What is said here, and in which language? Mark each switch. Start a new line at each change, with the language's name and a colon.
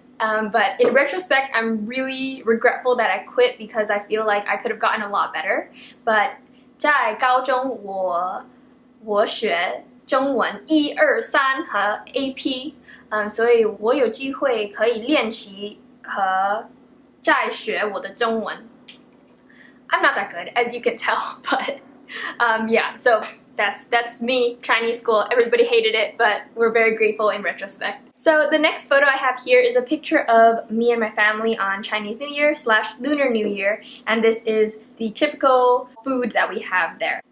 English: But in retrospect, I'm really regretful that I quit because I feel like I could have gotten a lot better.
Chinese: But 在高中我学中文一二三和AP, 所以我有机会可以练习和再学我的中文.
English: I'm not that good, as you can tell, but yeah, so that's me, Chinese school. Everybody hated it, but we're very grateful in retrospect. So the next photo I have here is a picture of me and my family on Chinese New Year / Lunar New Year, and this is the typical food that we have there.